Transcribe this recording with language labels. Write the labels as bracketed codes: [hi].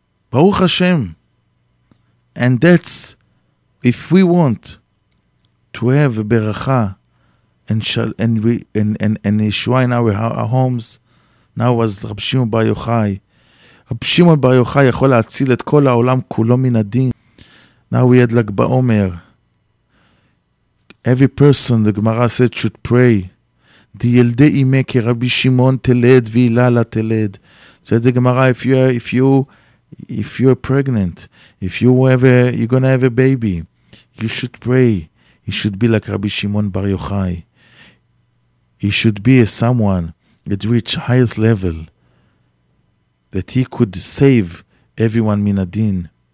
[en] Baruch Hashem. And that's, if we want to have a beracha and Yeshua in our homes, now was Rab Shimon Bar Yochai. [he] Rab Shimon Bar Yochai יכול להציל את כל העולם כולו מן הדין. [en] Now we had like Baomer. Every person, the Gemara said, should pray. [arc] דילדי אימא כרבי שמעון תלד ואילה לתלד. [en] So the Gemara, if you're pregnant, you're going to have a baby, you should pray. He should be like רבי שמעון בר יוחאי. He should be a someone that reach highest level, that he could save everyone [he] מן הדין.